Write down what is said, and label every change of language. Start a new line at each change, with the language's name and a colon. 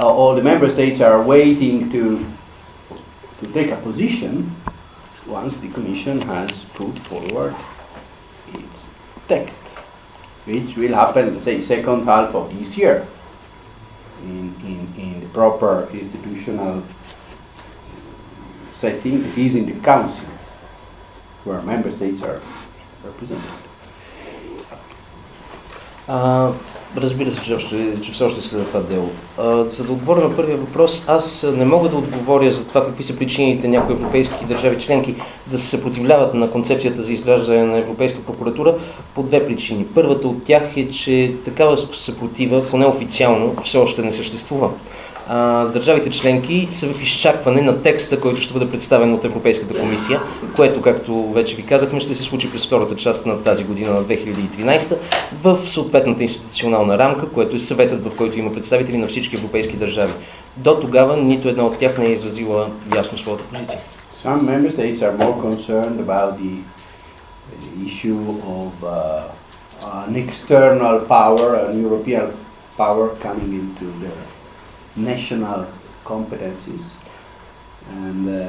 English: All the member states are waiting to take a position once the Commission has put forward its text, which will happen, say, second half of this year in the proper institutional setting. It is in the Council where member states are represented.
Bulgarian: Разбира се, че все още следва това дело. За да отговоря на първия въпрос, аз не мога да отговоря за това какви са причините някои европейски държави членки да се съпротивляват на концепцията за изграждане на Европейска прокуратура по две причини. Първата от тях е, че такава съпротива, поне официално, все още не съществува. Държавите членки са в изчакване на текста, който ще бъде представен от Европейската комисия, което, както вече ви казахме, ще се случи през втората част на тази година, на 2013, в съответната институционална рамка, което е съветът, в който има представители на всички европейски държави. До тогава нито една от тях не е изразила ясно своята позиция.
English: Some member states are more concerned about the issue of an external power, an European power coming into their national competencies, and